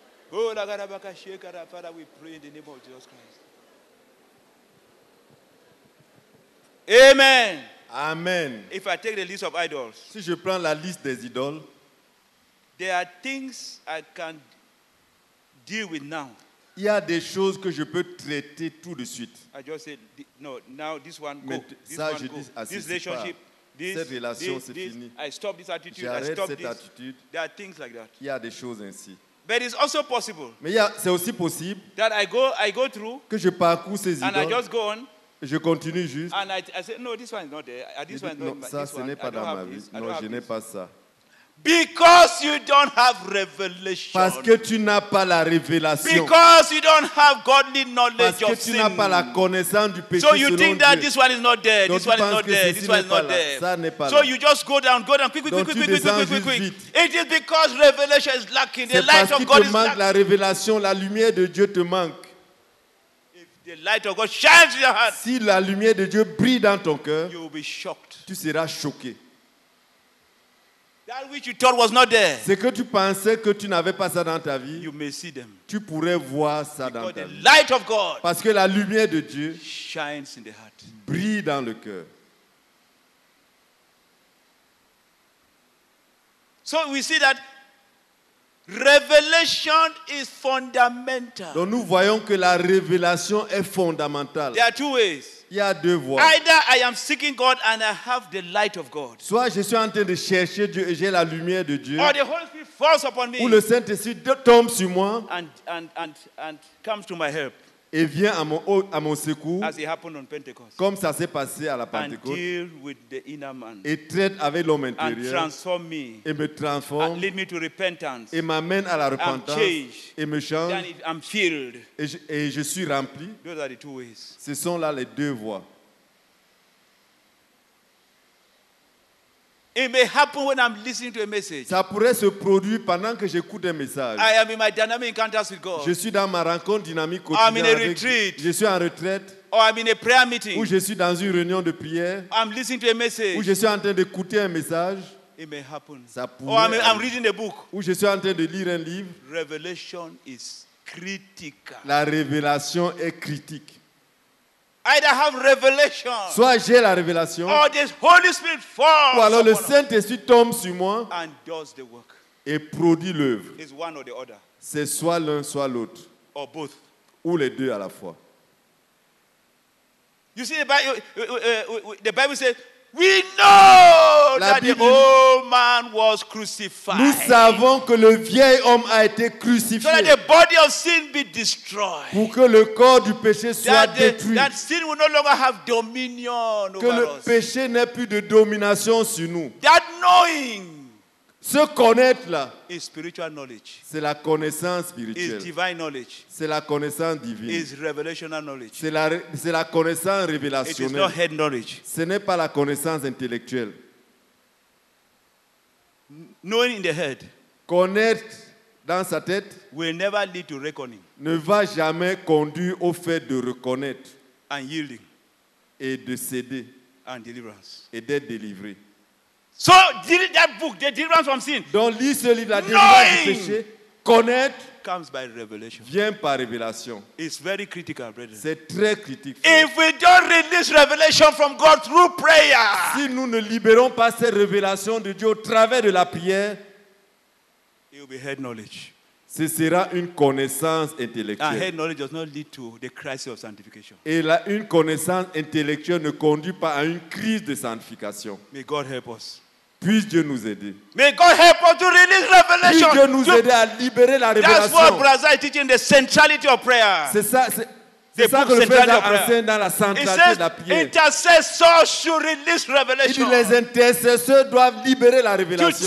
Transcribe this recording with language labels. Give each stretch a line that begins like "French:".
English: Father, we pray in the name of Jesus Christ. Amen. Amen. If I take the list of idols,
French: si je prends la liste des idoles,
English: there are things I can deal with now.
French: Il y a des choses que je peux traiter tout de suite.
English: I just said no. Now this one go. This relationship,
French: cette relation, c'est fini.
English: I stop this attitude.
French: J'arrête
English: I stop
French: cette
English: this. Attitude. There are things like that.
French: Il y a des choses ainsi.
English: But it's also possible.
French: Mais il y a, c'est aussi possible.
English: That I go through.
French: Que je parcours ces
English: idoles. And I just go on.
French: Je continue juste.
English: And I said no, this one is not there. This one is not.
French: Ça, ce n'est pas dans ma vie. Non, je n'ai pas ça.
English: Because you don't have revelation.
French: Parce que tu n'as pas la révélation.
English: Because you don't have godly knowledge of sin.
French: Parce que tu n'as pas la connaissance du péché.
English: So you think that this one is not there. This one is not there. This one is not there.
French: Ça n'est pas là.
English: So you just go down, quick. It is because revelation is lacking. The light of God is lacking.
French: C'est parce que tu manques la révélation, la lumière de Dieu te manque.
English: The light of God shines in your heart.
French: Si la lumière de Dieu brille dans ton cœur,
English: you will be shocked.
French: Tu seras choqué.
English: That which you thought was not there.
French: Ce que tu pensais que tu n'avais pas ça dans ta vie,
English: you may see them.
French: Tu pourrais voir ça
English: because
French: dans ta
English: the
French: vie.
English: Light of God.
French: Parce que la lumière de Dieu
English: shines in the heart.
French: Brille dans le cœur.
English: So we see that revelation is fundamental.
French: Donc nous voyons que la révélation est fondamentale.
English: There are two ways.
French: Il y a deux voies.
English: Either I am seeking God and I have the light of God.
French: Soit je suis en train de chercher Dieu et j'ai la lumière de Dieu.
English: Or the Holy Spirit falls upon me.
French: Ou le Saint-Esprit tombe sur moi.
English: And comes to my help.
French: Et vient à mon secours.
English: As it happened on Pentecost.
French: Comme ça s'est passé à la Pentecôte.
English: And deal with the inner man.
French: Et traite avec l'homme intérieur.
English: And transform me.
French: Et me transforme.
English: And lead me to repentance.
French: Et m'amène à la repentance.
English: And change.
French: Et me change.
English: And I'm filled.
French: Et je suis rempli.
English: Those are the two ways.
French: Ce sont là les deux voies.
English: It may happen when I'm listening to a message.
French: Ça pourrait se produire pendant que j'écoute un message.
English: I am in my dynamic encounters with God.
French: Je suis dans ma rencontre dynamique quotidienne.
English: I'm in a retreat.
French: Je suis en retraite.
English: Or I'm in a prayer meeting.
French: Ou je suis dans une réunion de prière.
English: I'm listening to a message.
French: Ou je suis en train d'écouter un message.
English: It may happen.
French: Ça pourrait.
English: Or I'm reading a book.
French: Ou je suis en train de lire un livre.
English: Revelation is critical.
French: La révélation est critique.
English: Either have revelation,
French: soit j'ai la révélation,
English: or this Holy Spirit falls,
French: ou alors le Saint-Esprit tombe sur moi
English: and does the work.
French: Et produit l'œuvre.
English: It's one or the other.
French: C'est soit l'un, soit l'autre.
English: Or both.
French: Ou les deux à la fois.
English: You see, the Bible says, we know that Bible, the old man was crucified.
French: Nous savons que le vieil homme a été crucifié.
English: So that the body of sin be destroyed.
French: Pour que le corps du péché soit détruit.
English: That sin will no longer have dominion
French: que
English: over
French: le
English: us.
French: Péché n'ait plus de domination sur nous.
English: That knowing,
French: ce connaître là,
English: is spiritual knowledge.
French: C'est la connaissance spirituelle.
English: Is divine knowledge.
French: C'est la connaissance divine.
English: Is revelational knowledge.
French: C'est la connaissance révélationnelle.
English: It is not head knowledge.
French: Ce n'est pas la connaissance intellectuelle.
English: Knowing in the head,
French: connaître dans sa tête,
English: will never lead to reckoning.
French: Ne va jamais conduire au fait de reconnaître,
English: and yielding,
French: et de céder,
English: and deliverance,
French: et d'être délivré.
English: So, read that book, The Deliverance from Sin.
French: Donc, lis ce livre, La Délivrance du Péché. Connaître
English: comes by revelation.
French: Vient par révélation.
English: It's very critical, brethren.
French: C'est très critique.
English: If we don't release revelation from God through prayer,
French: si nous ne libérons pas ces révélations de Dieu au travers de la prière,
English: it will be head knowledge.
French: Ce sera une connaissance intellectuelle.
English: And head knowledge does not lead to the crisis of sanctification.
French: Et là, une connaissance intellectuelle ne conduit pas à une crise de sanctification.
English: May God help us.
French: Puisse Dieu nous aider.
English: May God help us to release revelation.
French: Puisse Dieu nous aider à libérer la révélation.
English: That's what Brazza is teaching, the centrality of prayer.
French: C'est ça que le frère enseigne dans la centralité de la prière.
English: Intercessors should release revelation.
French: Il dit, les intercesseurs doivent libérer la révélation.